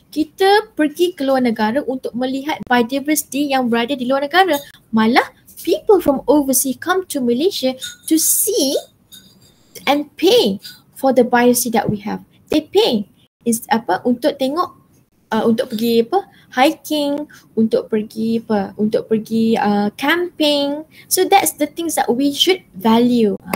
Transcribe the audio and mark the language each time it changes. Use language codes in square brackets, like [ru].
[ms] Kita pergi ke luar negara untuk melihat biodiversity yang berada di luar negara. [en] Malah people from overseas come to Malaysia to see and pay for the biodiversity that we have. They pay is [ms] apa untuk tengok, untuk pergi apa hiking, untuk pergi apa, untuk pergi camping. [en] So that's the things that we should value.